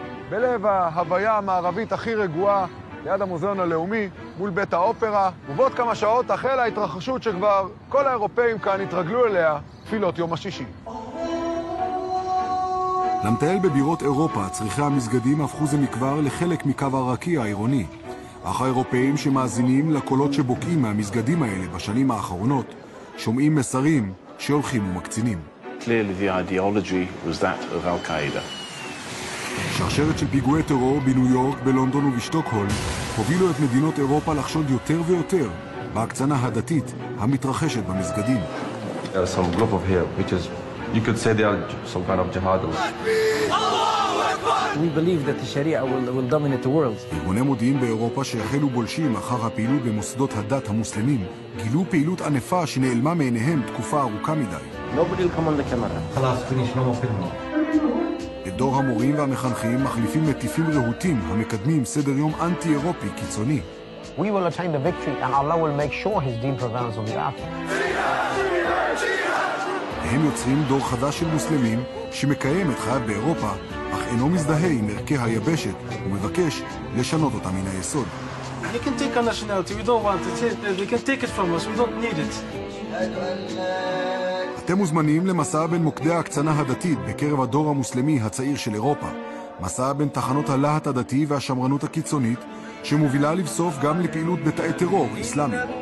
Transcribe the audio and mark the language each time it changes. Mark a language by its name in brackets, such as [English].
[Hebrew] בלב ההוויה המערבית הכי רגועה, ליד המוזיאון הלאומי, מול בית האופרה, ובעוד כמה שעות החלה ההתרחשות שכבר כל האירופאים כאן התרגלו אליה, תפילות יום השישי. למטייל בבירות אירופה, צריכי המסגדים הפכו זה מכבר לחלק מקו הרקיע העירוני. אך האירופאים שמאזינים לקולות שבוקעים מהמסגדים האלה בשנים האחרונות, שומעים מסרים שהולכים ומקצינים. [English] Clearly the ideology was that of Al-Qaeda. [Hebrew] שרשרת של פיגועי טרור בניו יורק, בלונדון ובשטוקהול הובילו את מדינות אירופה לחשוד יותר ויותר בהקצנה הדתית המתרחשת במסגדים. [English] There's some group of here, which is, you could say they are some kind of jihadists. Allahu Akbar! We believe that the Sharia will dominate the world. [Hebrew] ארגוני מודיעין באירופה שהחלו בולשים אחר הפעילות במוסדות הדת המוסלמים גילו פעילות ענפה שנעלמה מעיניהם תקופה ארוכה מדי. [English] Nobody will come on the camera. חלאס, פיניש, נו מופילים. [Hebrew] את דור המורים והמחנכים מחליפים מטיפים רהוטים המקדמים סדר יום אנטי-אירופי קיצוני. [English] We will attain the victory and Allah will make sure his deen prevails on the earth. [Hebrew] הם יוצרים דור חדש של מוסלמים שמקיים את חייו באירופה, אך אינו מזדהה עם ערכי היבשת ומבקש לשנות אותה מן היסוד. [English] You can take our nationality, we don't want it. You can take it from us, we don't need it. [Hebrew] אתם מוזמנים למסע בין מוקדי ההקצנה הדתית בקרב הדור המוסלמי הצעיר של אירופה. מסע בין תחנות הלהט הדתי והשמרנות הקיצונית, שמובילה לבסוף גם לפעילות בתאי טרור אסלאמי.